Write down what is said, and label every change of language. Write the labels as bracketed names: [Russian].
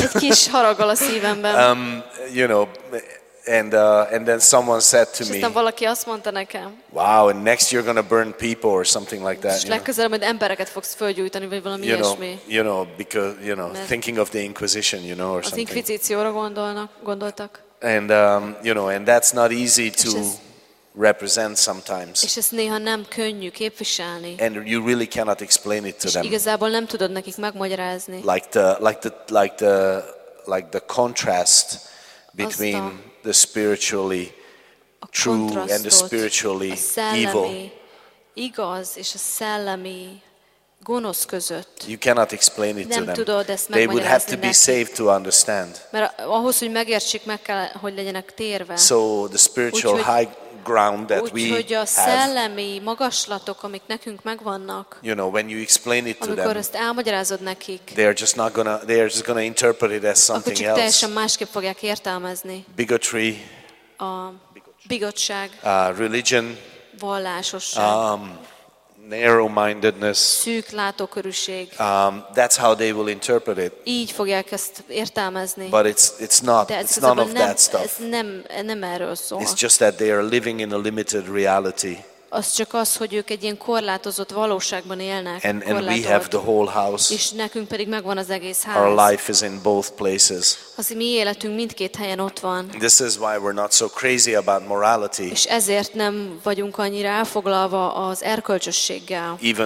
[Hungarian] Egy kis haraggal a szívemben. [English] You know, and then someone said to me. [Hungarian] És aztán valaki azt mondta nekem. [English] Wow, and next you're gonna burn people or something like that. [Hungarian] És legközelebb majd embereket fogsz fölgyújtani vagy valami ilyesmi. [English] You know, because you know, thinking of the Inquisition, you know, or something. [Hungarian] Az inkvizícióra gondoltak. [English] And you know, and that's not easy to represent sometimes. [Hungarian] És ezt néha nem könnyű képviselni. [English] And you really cannot explain it to [Hungarian] és [English] them. [Hungarian] Igazából nem tudod nekik megmagyarázni. [English] Like the contrast between the spiritually true and the spiritually evil. [Hungarian] Igaz és a szellemi gonosz között. [English] You cannot explain it [Hungarian] nem [English] to them. [Hungarian] Tudod ezt [English] they would have to [Hungarian] neki [English] be saved to understand. [Hungarian] Mert ahhoz, hogy megértsék, meg kell, hogy legyenek térve. [English] So the spiritual high ground that we have. [Hungarian] Úgyhogy a szellemi magaslatok, amik nekünk megvannak. [English] You know, when you explain it to them. [Hungarian] Amikor ezt elmagyarázod nekik. [English] They are just gonna interpret it as something else. [Hungarian] Akkor csak teljesen másképp fogják értelmezni. [English] Bigotry. [Hungarian] a bigottság, [English] religion, [Hungarian] vallásosság, [English] narrow-mindedness, [Hungarian] szűk látókörűség. [English] That's how they will interpret it. [Hungarian] Így fogják ezt értelmezni. [English] But it's not, it's none of that stuff. [Hungarian] Nem erről szól. [English] It's just that they are living in a limited reality. [Hungarian] Az csak az, hogy ők egy ilyen korlátozott valóságban élnek. [English] And we have the whole house. [Hungarian] És nekünk pedig megvan az egész ház. [English] Our life is in both places. [Hungarian] Az mi életünk mindkét helyen ott van. [English] This is why we're not so crazy about morality. [Hungarian] És ezért nem vagyunk annyira elfoglalva az erkölcsösséggel.